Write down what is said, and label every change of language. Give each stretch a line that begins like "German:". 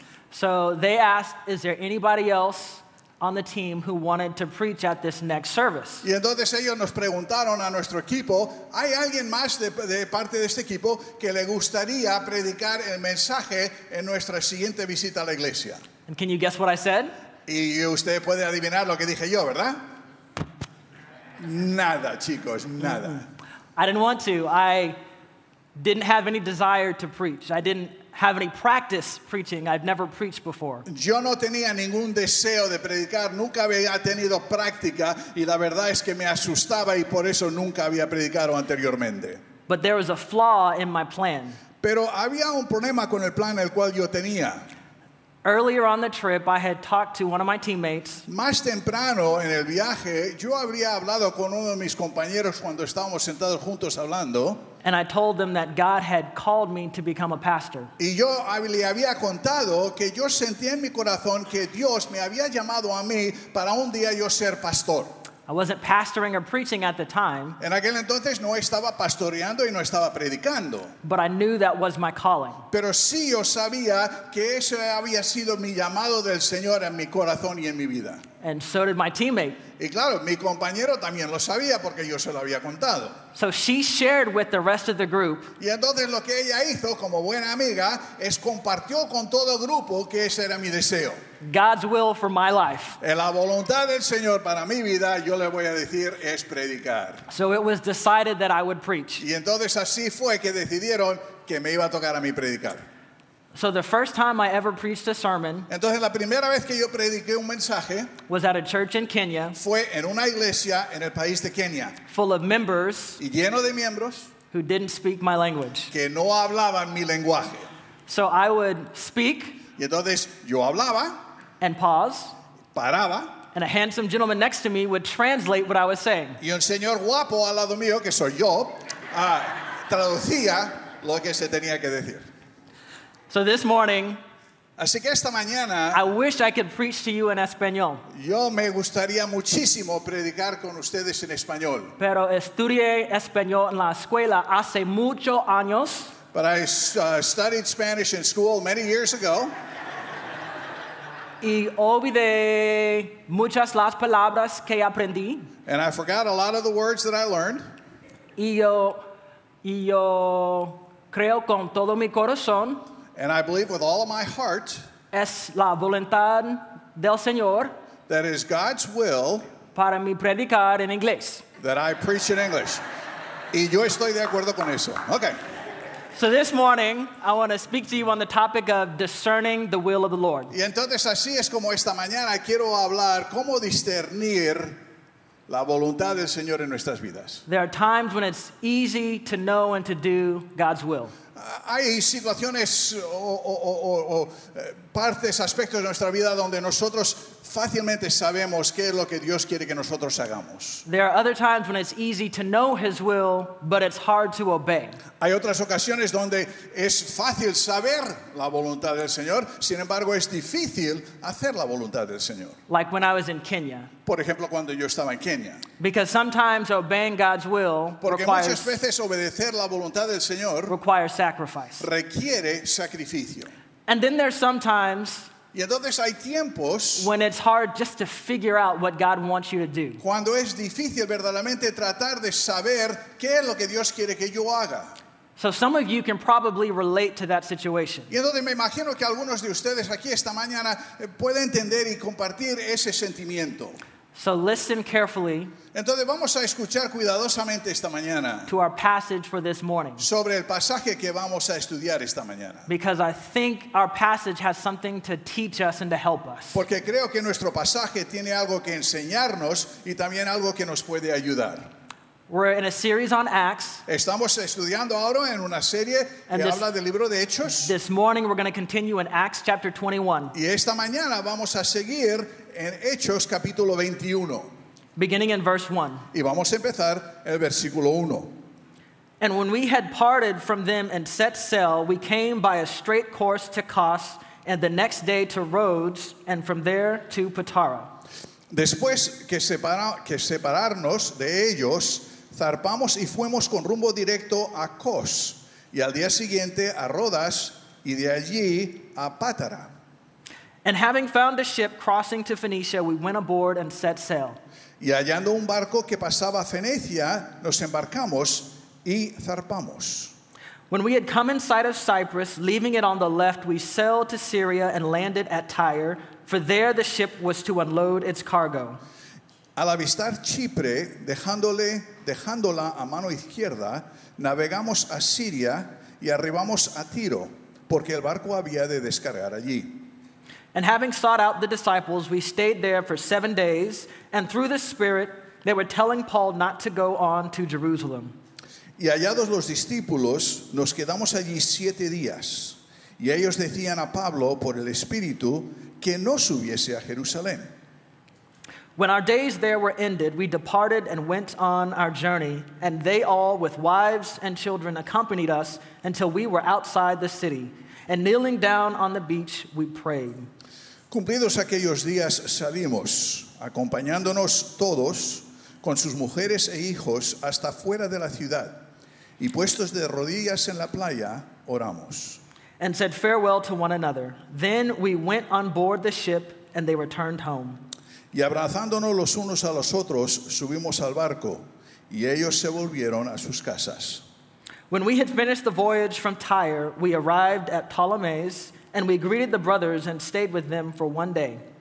English: So they asked, is there anybody else on the team who wanted to preach at this next service?
Spanish: Y entonces ellos nos preguntaron a nuestro equipo, ¿hay alguien más de parte de este equipo que le gustaría predicar el mensaje en nuestra siguiente visita a la iglesia?
English: And can you guess what I said?
Spanish: Y usted puede adivinar lo que dije yo, ¿verdad? Nada, chicos, nada.
English: I didn't want to. I didn't have any desire to preach. I didn't have any practice preaching. I've never preached before.
Spanish: Yo no tenía ningún deseo de predicar. Nunca había tenido práctica. Y la verdad es que me asustaba y por eso nunca había predicado anteriormente.
English: But there was a flaw in my plan.
Spanish: Pero había un problema con el plan el cual yo tenía.
English: Earlier on the trip, I had talked to one of my teammates.
Spanish: Más temprano en el viaje, yo habría hablado con uno de mis compañeros cuando estábamos sentados juntos hablando.
English: And I told them that God had called me to become a pastor.
Spanish: Y yo le había contado que yo sentía en mi corazón que Dios me había llamado a mí para un día yo ser pastor.
English: I wasn't pastoring or preaching at the time.
Spanish: En aquel entonces no estaba pastoreando y no estaba predicando.
English: But I knew that was my calling.
Spanish: Pero sí yo sabía que eso había sido mi llamado del Señor en mi corazón y en mi vida.
English: And so did my teammate.
Spanish: Y claro, mi compañero también lo sabía porque yo se lo había contado.
English: So she shared with the rest of the group.
Spanish: Y entonces lo que ella hizo como buena amiga es compartió con todo el grupo que ese era mi deseo.
English: God's will for my life.
Spanish: En la voluntad del Señor para mi vida, yo le voy a decir, es predicar.
English: So it was decided that I would preach.
Spanish: Y entonces así fue que decidieron que me iba a tocar a mí predicar.
English: So the first time I ever preached a sermon,
Spanish: entonces, la primera vez que yo prediqué un mensaje,
English: was at a church in Kenya,
Spanish: fue en una iglesia en el país de Kenia,
English: full of members,
Spanish: y lleno de miembros,
English: who didn't speak my language,
Spanish: que no hablaban mi lenguaje.
English: So I would speak,
Spanish: y entonces, yo hablaba,
English: and pause,
Spanish: paraba,
English: and a handsome gentleman next to me would translate what I was saying.
Spanish: Y un señor guapo al lado mío, que soy yo, traducía lo que se tenía que decir.
English: So this morning,
Spanish: así que esta mañana,
English: I wish I could preach to you in español.
Spanish: Yo me gustaría muchísimo predicar con ustedes en español. Pero estudié español en la escuela hace muchos años.
English: But I studied Spanish in school many years ago.
Spanish: Y olvidé muchas las palabras que aprendí.
English: And I forgot a lot of the words that I learned.
Spanish: Y yo creo con todo mi corazón.
English: And I believe with all of my heart
Spanish: es la voluntad del Señor
English: that is God's will
Spanish: para mi predicar en inglés.
English: That I preach in English.
Spanish: Y yo estoy de acuerdo con eso. Okay.
English: So this morning, I want to speak to you on the topic of discerning the will of the Lord.
Spanish: Y entonces así es como esta mañana quiero hablar cómo discernir la voluntad del Señor en nuestras vidas.
English: There are times when it's easy to know and to do God's will.
Spanish: Hay situaciones o partes, aspectos de nuestra vida donde nosotros fácilmente sabemos qué es lo que Dios quiere que nosotros hagamos.
English: There are other times when it's easy to know His will, but it's hard to obey.
Spanish: Hay otras ocasiones donde es fácil saber la voluntad del Señor, sin embargo es difícil hacer la voluntad del Señor.
English: Like when I was in Kenya.
Spanish: Por ejemplo, cuando yo estaba en Kenia.
English: Because sometimes obeying God's will
Spanish: porque requires, muchas veces obedecer la voluntad del Señor
English: requires sacrifice.
Spanish: Requiere sacrificio.
English: And then there's sometimes
Spanish: y entonces hay tiempos
English: when it's hard just to figure out what God wants you to do.
Spanish: Cuando es difícil verdaderamente tratar de saber qué es lo que Dios quiere que yo haga.
English: So some of you can probably relate to that situation.
Spanish: Y entonces me imagino que algunos de ustedes aquí esta mañana pueden entender y compartir ese sentimiento.
English: So listen carefully.
Spanish: Entonces vamos a escuchar cuidadosamente esta mañana
English: to our passage for this morning.
Spanish: Sobre el pasaje que vamos a estudiar esta mañana.
English: Because I think our passage has something to teach us and to help us.
Spanish: Porque creo que nuestro pasaje tiene algo que enseñarnos y también algo que nos puede ayudar.
English: We're in a series on Acts.
Spanish: Estamos estudiando ahora en una serie que habla del libro de Hechos.
English: This morning we're going to continue in Acts chapter 21.
Spanish: Y esta mañana vamos a seguir en Hechos capítulo 21.
English: Beginning in verse 1.
Spanish: Y vamos a empezar el versículo 1.
English: And when we had parted from them and set sail, we came by a straight course to Kos, and the next day to Rhodes, and from there to Patara.
Spanish: Después que separarnos de ellos, zarpamos y fuimos con rumbo directo a Kos, y al día siguiente a Rodas, y de allí a Patara.
English: And having found a ship crossing to Phoenicia, we went aboard and set sail.
Spanish: Y hallando un barco que pasaba a Fenicia, nos embarcamos y zarpamos.
English: When we had come in sight of Cyprus, leaving it on the left, we sailed to Syria and landed at Tyre, for there the ship was to unload its cargo.
Spanish: Al avistar Chipre, dejándola a mano izquierda, navegamos a Siria y arribamos a Tiro, porque el barco había de descargar allí.
English: And having sought out the disciples, we stayed there for 7 days, and through the Spirit, they were telling Paul not to go on to Jerusalem.
Spanish: Y hallados los discípulos, nos quedamos allí 7 días, y ellos decían a Pablo por el Espíritu que no subiese a Jerusalén.
English: When our days there were ended, we departed and went on our journey, and they all with wives and children accompanied us until we were outside the city. And kneeling down on the beach, we prayed.
Spanish: Cumplidos aquellos días, salimos, acompañándonos todos, con sus mujeres e hijos, hasta fuera de la ciudad. Y puestos de rodillas en la playa, oramos.
English: And said farewell to one another. Then we went on board the ship, and they returned home.
Spanish: Y abrazándonos los unos a los otros, subimos al barco, y ellos se volvieron a sus casas.
English: When we had finished the voyage from Tyre, we arrived at Ptolemais, and we greeted the brothers and stayed with them for one day.